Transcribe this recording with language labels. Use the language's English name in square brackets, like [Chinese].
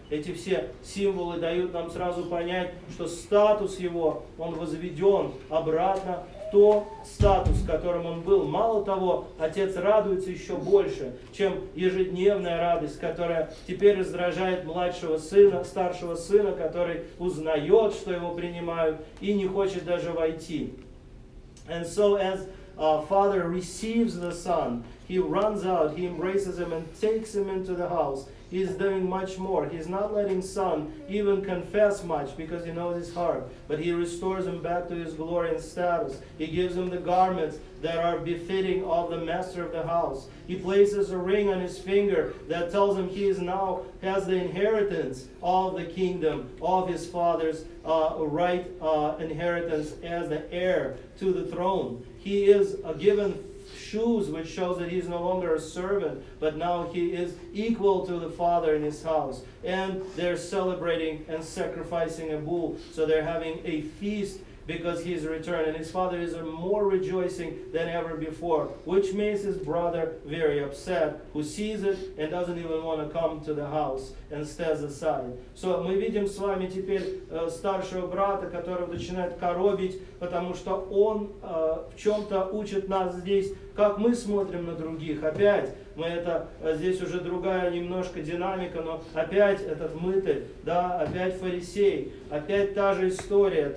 [Russian] Эти все символы дают нам сразу понять, что статус его, он возведен обратно в тот статус, в котором он был. Мало того, отец радуется еще больше, чем ежедневная радость, которая теперь раздражает младшего сына, старшего сына, который узнает, что его принимают, и не хочет даже войти. [English] And so as a father receives the son, he runs out, he embraces him and takes him into the house. He's doing much more. He's not letting son even confess much because he knows his heart. But he restores him back to his glory and status. He gives him the garments that are befitting of the master of the house. He places a ring on his finger that tells him he is now has the inheritance of the kingdom, of his father's inheritance as the heir to the throne. He is given shoes, which shows that he is no longer a servant, but now he is equal to the father in his house. And they're celebrating and sacrificing a bull. So they're having a feast because he's returned. And his father is more rejoicing than ever before, which makes his brother very upset, who sees it and doesn't even want to come to the house and stays aside. [Russian] So мы видим с вами теперь старшего брата, которого начинает коробить, потому что он в чем-то учит нас здесь, как мы смотрим на других. Опять мы это, здесь уже другая немножко динамика, но опять этот мытарь, да, опять фарисей, опять та же история.